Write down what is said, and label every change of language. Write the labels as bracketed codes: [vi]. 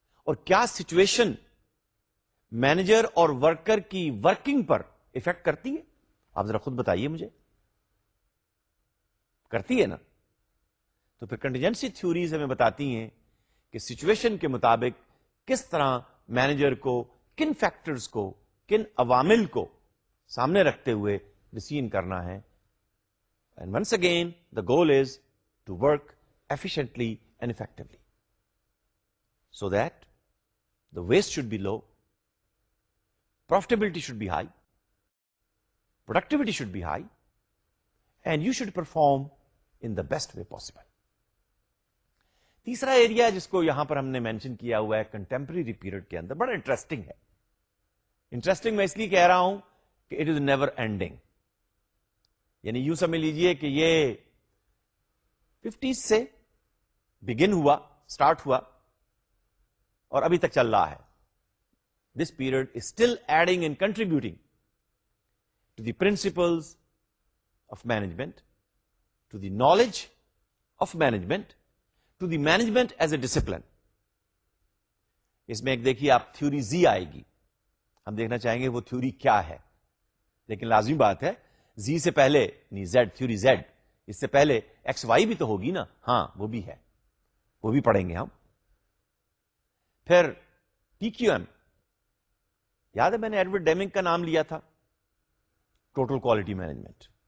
[ur] اور کیا situation manager اور ورکر کی ورکنگ پر افیکٹ کرتی ہے؟ آپ ذرا خود بتائیے مجھے, کرتی ہے نا. تو پھر کنٹیجنسی تھیوریز ہمیں بتاتی ہیں کہ سچویشن کے مطابق کس طرح مینیجر کو کن فیکٹرز کو کن عوامل کو سامنے رکھتے ہوئے ڈیسیژن کرنا ہے. [en] And once again the goal is to work efficiently and effectively so that the waste should be low, profitability should be high, productivity should be high, and you should perform in the best way possible. [ur] تیسرا area جس کو یہاں پر ہم نے mention کیا ہوا ہے contemporary period کے اندر, بڑا انٹرسٹنگ ہے. انٹرسٹنگ میں اس لیے کہہ رہا ہوں کہ [en] it is never ending, [ur] یعنی یوں سمجھ لیجئے کہ یہ 50s سے بگن ہوا, سٹارٹ ہوا اور ابھی تک چل رہا ہے. [en] This period is still adding and contributing to the principles of management, to the knowledge of management, to the management as a discipline. [ur] اس میں ایک دیکھیے آپ تھیوری زی آئے گی, ہم دیکھنا چاہیں گے وہ تھیوری کیا ہے, لیکن لازمی بات ہے زی سے پہلے نہیں زیڈ, تھیوری زیڈ اس سے پہلے ایکس وائی بھی تو ہوگی نا. ہاں وہ بھی ہے, وہ بھی پڑھیں گے ہم. پھر پی کیو ایم, یاد ہے میں نے ایڈورڈ ڈیمنگ کا نام لیا تھا, ٹوٹل کوالٹی مینجمنٹ.